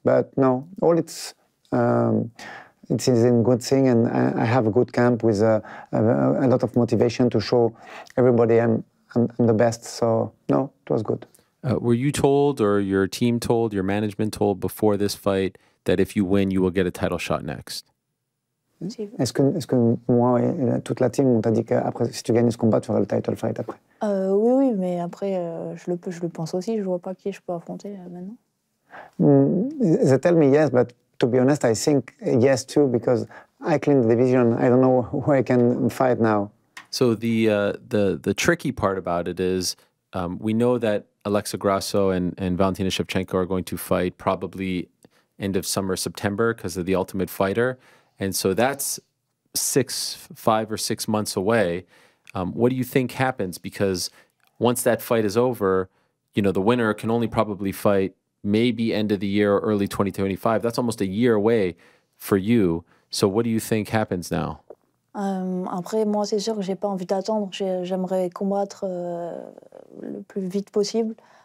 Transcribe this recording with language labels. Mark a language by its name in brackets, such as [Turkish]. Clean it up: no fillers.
[English] But no, all it's a good thing, and I have a good camp with a lot of motivation to show everybody I'm the best. So, no, it was good. Were you told, or your team told, your management told before this fight that if you win, you will get a title shot next? [French] Est-ce que moi et toute la team m'ont dit que après, si tu gagnes ce combat, tu auras le title fight après? Oui, oui, mais après, je le pense aussi. Je vois pas qui je peux affronter maintenant. [English] They tell me yes, but to be honest, I think yes too, because I cleaned the division. I don't know who I can fight now. So the tricky part about it is, we know that Alexa Grasso and Valentina Shevchenko are going to fight probably end of summer, September, because of the Ultimate Fighter. And so that's five or six months away. What do you think happens? Because once that fight is over, you know, the winner can only probably fight maybe end of the year or early 2025. That's almost a year away for you. So what do you think happens now? [French] Après, moi, c'est sûr que j'ai pas envie d'attendre. J'aimerais combattre le plus vite possible.